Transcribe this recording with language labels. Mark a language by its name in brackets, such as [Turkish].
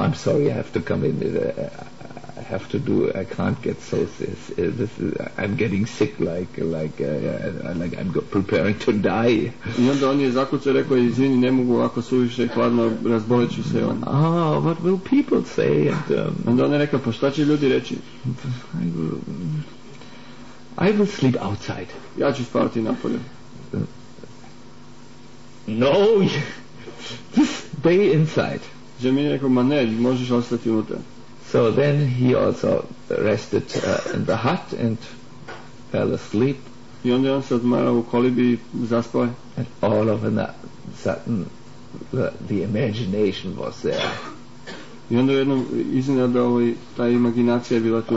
[English] I'm sorry, I have to come in. I have to do... I can't get so... This is, I'm getting sick like I'm preparing to die. [Serbian] I onda on je zakucao i rekao, izvini, ne mogu ovako suviše hladno, razbolit ću se. On. [English] Oh, what will people say? And, [Serbian] onda on je rekao, pa šta će ljudi reći? [English] I will sleep outside. [Serbian] Ja ću spavati napolje. [English] No! Just stay inside. [Serbian] Jaimini rekao, ma ne, možeš ostati unutra. [English] So then he also rested in the hut and fell asleep. [Serbian] I onda on se odmarao u kolibi I zaspao. [English] And all of a sudden the imagination was there. [Serbian] I onda jednom iznenada ta imaginacija je bila tu.